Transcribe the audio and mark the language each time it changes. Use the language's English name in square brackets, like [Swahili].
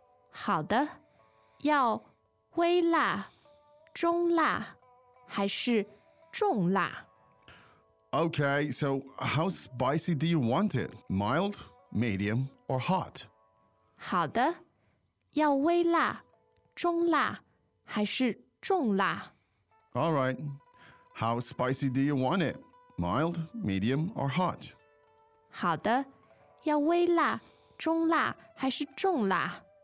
[Chinese] 好的，要微辣、中辣还是重辣？ [English] Okay, so how spicy do you want it? Mild, medium, or hot? [Chinese] 好的，要微辣、中辣还是重辣？ [English] All right. How spicy do you want it? Mild, medium, or hot? [Chinese] 好的，要微辣、中辣还是重辣？